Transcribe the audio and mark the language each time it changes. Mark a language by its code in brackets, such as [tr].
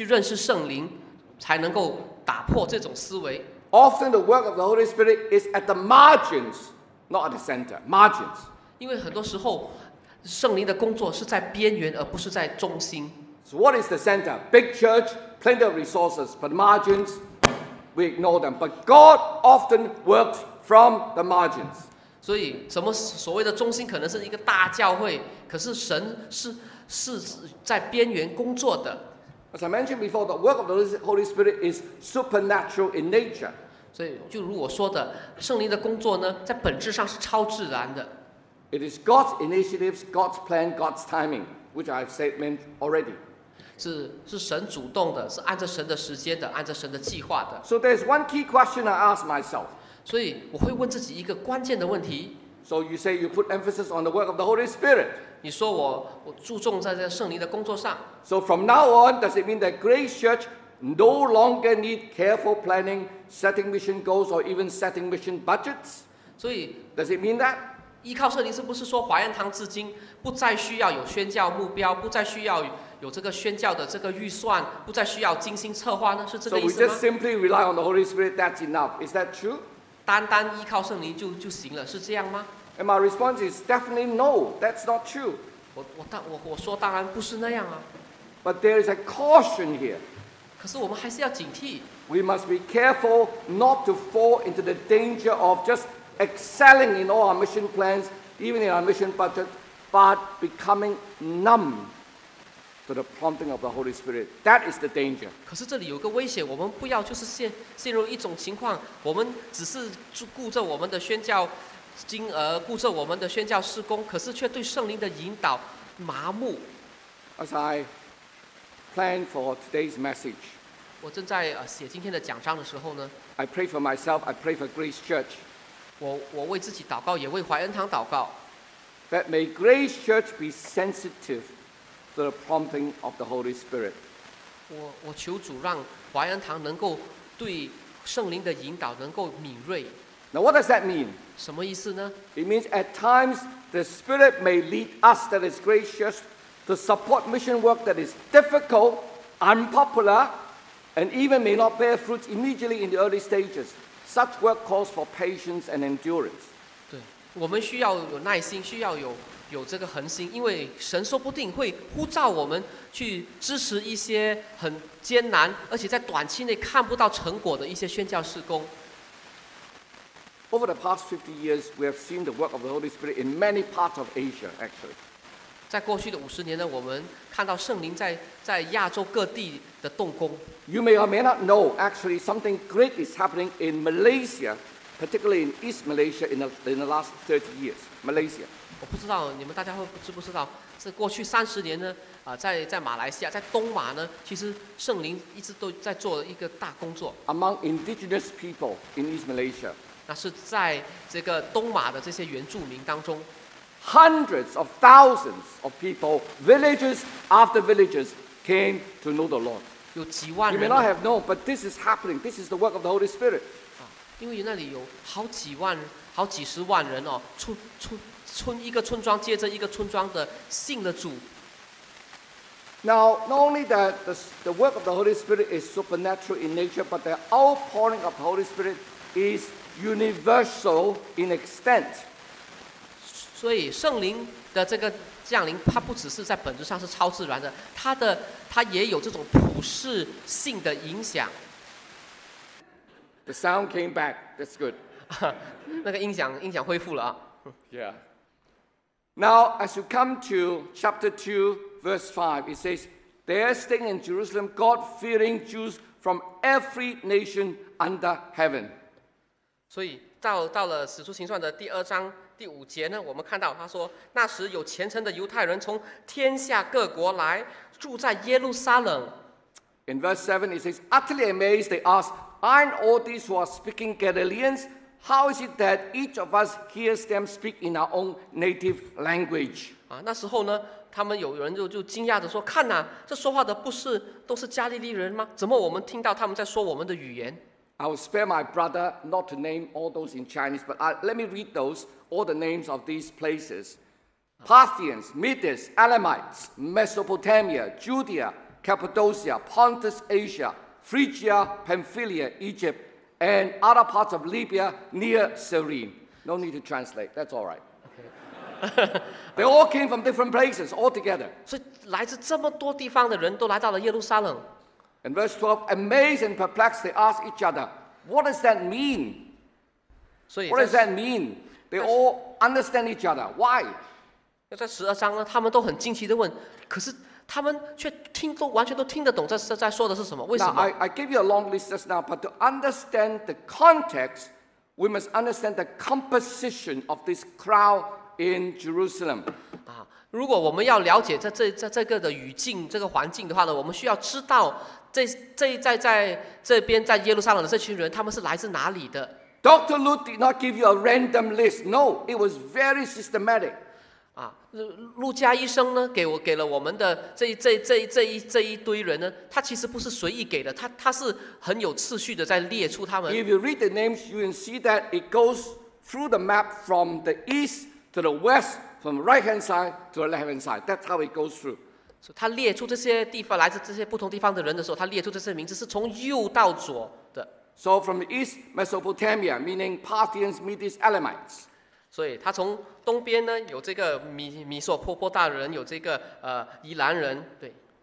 [zh] 所以这个华勇教徒就说，我们如果需要有一种要重新的去认识圣灵，才能够。 [en] Often the work of the Holy Spirit is at the margins, not at the center. Margins. [zh] 因为很多时候，圣灵的工作是在边缘，而不是在中心。 [en] So what is the center? Big church, plenty of resources, but margins, we ignore them. But God often works from the margins. [zh] 所以，什么所谓的中心可能是一个大教会，可是神是在边缘工作的。 [en] As I mentioned before, the work of the Holy Spirit is supernatural in nature. [zh] 所以就如我说的，圣灵的工作呢，在本质上是超自然的。 [en] It is God's initiatives, God's plan, God's timing, which I have said already. [zh] 是神主动的，是按着神的时间的，按着神的计划的。 [en] So there's one key question I ask myself. [zh] 所以我会问自己一个关键的问题。 [en] So you say you put emphasis on the work of the Holy Spirit. [zh] 你说我注重在这圣灵的工作上。 [en] So from now on, does it mean that Grace Church no longer need careful planning, setting mission goals, or even setting mission budgets? [zh] 所以 [en] does it mean that? [zh] 依靠圣灵是不是说华严堂至今不再需要有宣教目标，不再需要有这个宣教的这个预算，不再需要精心策划呢？是这个意思吗 [en] ？So we just simply rely on the Holy Spirit. That's enough. Is that true? [zh] 单单依靠圣灵 就行了，是这样吗 [en] ？And my response is definitely no. That's not true. [zh] 我说当然不是那样啊。 [en] But there is a caution here. [zh] 可是我们还是要警惕。 [en] We must be careful not to fall into the danger of just excelling in all our mission plans, even in our mission budget, but becoming numb to the prompting of the Holy Spirit. That is the danger. [zh] 可是这里有个危险，我们不要就是陷入一种情况，我们只是顾着我们的宣教金额，顾着我们的宣教事工，可是却对圣灵的引导麻木。 [en] As I plan for today's message, [zh] 我正在写今天的讲章的时候呢 [en] ，I pray for myself, I pray for Grace Church. [zh] 我为自己祷告，也为怀恩堂祷告。 [en] That may Grace Church be sensitive. To the prompting of the Holy Spirit. [zh] 我求主让华严堂能够对圣灵的引导能够敏锐。 [en] Now what does that mean? [zh] 什么意思呢 [en] ？It means at times the Spirit may lead us, that is gracious, to support mission work that is difficult, unpopular, and even may not bear fruit immediately in the early stages. Such work calls for patience and endurance. [zh] 对，我们需要有耐心，需要有这个恒心，因为神说不定会呼召我们去支持一些很艰难，而且在短期内看不到成果的一些宣教事工。 [en] Over the past 50 years, we have seen the work of the Holy Spirit in many parts of Asia, actually. [zh] 在过去的50年呢，我们看到圣灵在亚洲各地的动工。 [en] You may or may not know, actually, something great is happening in Malaysia, particularly in East Malaysia in the last 30 years, Malaysia. [zh] 我不知道你们大家会知不知道，是过去30年呢，在马来西亚，在东马呢，其实圣灵一直都在做一个大工作。 [en] Among indigenous people in East Malaysia， [zh] 那是在这个东马的这些原住民当中 [en] ，hundreds of thousands of people, villages after villages came to know the Lord。 [zh] 有几万人。 [en] You may not have known, but this is happening. This is the work of the Holy Spirit。 [zh] 啊，因为那里有好几万、好几十万人哦，村一个村庄接着一个村庄的信了主。 [en] Now, not only that the work of the Holy Spirit is supernatural in nature, but the outpouring of the Holy Spirit is universal in extent. [zh] 所以圣灵的这个降临，它不只是在本质上是超自然的，它也有这种普世性的影响。 [en] The sound came back. That's good. [zh] 那个音响恢复了啊。 [en] Yeah. Now, as you come to chapter 2, verse 5, it says, There are staying in Jerusalem God-fearing Jews from every nation under heaven. [zh] 所以到了《使徒行传》的第二章第五节呢，我们看到他说，那时有虔诚的犹太人从天下各国来，住在耶路撒冷。 [en] In verse 7, it says, Utterly amazed, they asked, Aren't all these who are speaking Galileans? How is it that each of us hears them speak in our own native language? [zh] 啊，那时候呢，他们有人就惊讶地说：“看呐，这说话的都是加利利人吗？怎么我们听到他们在说我们的语言 [en] ？”I will spare my brother not to name all those in Chinese, but let me read those all the names of these places: Parthians, Medes, Elamites, Mesopotamia, Judea, Cappadocia, Pontus, Asia, Phrygia, Pamphylia, Egypt. And other parts of Libya near Cyrene. No need to translate. That's all right. They all came from different places altogether. [zh] 所以来自这么多地方的人都来到了耶路撒冷。 [en] In verse 12, amazed and perplexed, they ask each other, "What does that mean?" What does that mean? They all understand each other. Why? [zh] 在十二章呢，他们都很惊奇地问，可是。他们却完全都听得懂在说的是什么？为什么 [en] now, ？I gave you a long list just now, but to understand the context, we must understand the composition of this crowd in Jerusalem. [zh] 啊，如果我们要了解这个的语境、这个环境的话呢，我们需要知道这在这边在耶路撒冷的这群人，他们是来自哪里的 [en] Dr. Lu did not give you a random list. No, it was very systematic. [zh] 啊，陆家医生呢，给了我们的这一堆人呢，他其实不是随意给的，他是很有次序的在列出他们。 [en] If you read the names, you can see that it goes through the map from the east to the west, from the right hand side to the left hand side. That's how it goes through. [zh] 所以他列出这些地方来自这些不同地方的人的时候，他列出这些名字是从右到左的。 [en] So from the east, Mesopotamia, meaning Parthians, Medes, Elamites. [zh] 所以他从东边呢，有这个米索波大人，有这个伊兰人，对。